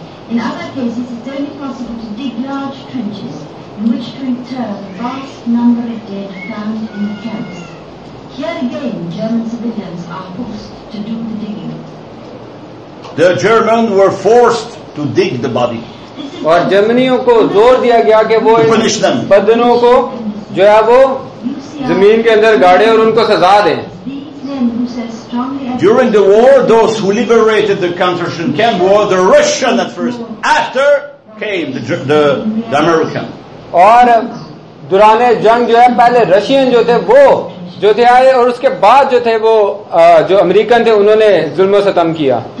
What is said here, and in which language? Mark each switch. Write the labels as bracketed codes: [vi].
[en] In other cases, it's only possible to dig large trenches in which to inter the vast number of dead found in the camps. Here again, German civilians are forced to do the digging. The Germans were forced to dig the body. [hi] और जर्मनियों को जोर दिया गया कि वो बदनों को जो है वो जमीन के अंदर गाड़े और उनको सजा दें. [en] During the war, those who liberated the concentration camp were the Russian at first. After came the American. [hi] और दुराने जंग जो है पहले रशियन जो थे वो जो थे आए और उसके बाद जो थे वो जो अमेरिकन थे उन्होंने जुल्म और सतम किया.